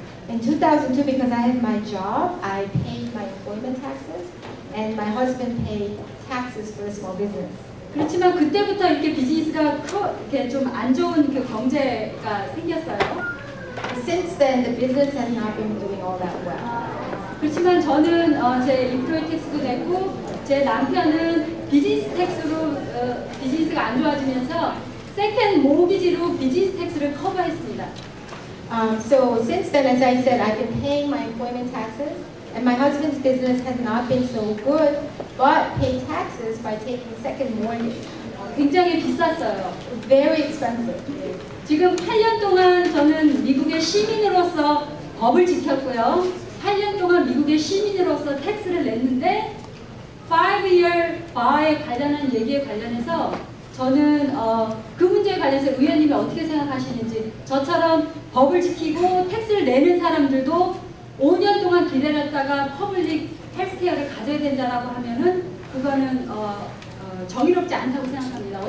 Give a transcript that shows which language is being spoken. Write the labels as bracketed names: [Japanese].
[English] In 2002, because I had my job, I paid my employment taxes, and my husband paid taxes for a small business. [Korean] 그렇지만 그때부터 이렇게 비즈니스가 이렇게 좀 안 좋은 그 경제가 생겼어요. [English] Since then, the business has not been doing all that well. [Korean] 그렇지만 저는 제 employee tax도 냈고 제 남편은 비즈니스 tax로 비즈니스가 안 좋아지면서 second mortgage로 비즈니스 tax를 커버했습니다. [English] So since then, as I said, I've been paying my employment taxes, and my husband's business has not been so good, but pay taxes by taking second mortgage. [Korean] 굉장히 비쌌어요. [English] Very expensive. [Korean] 지금 8년 동안 저는 미국의 시민으로서 법을 지켰고요. 8년 동안 미국의 시민으로서 택스를 냈는데, 5-year bar에 관련한 얘기에 관련해서 저는 그 문제에 관련해서 의원님이 어떻게 생각하시는지 저처럼 법을 지키고 택스를 내는 사람들도 5년 동안 기다렸다가 퍼블릭 헬스케어를 가져야 된다라고 하면은 그거는 정의롭지 않다고 생각합니다.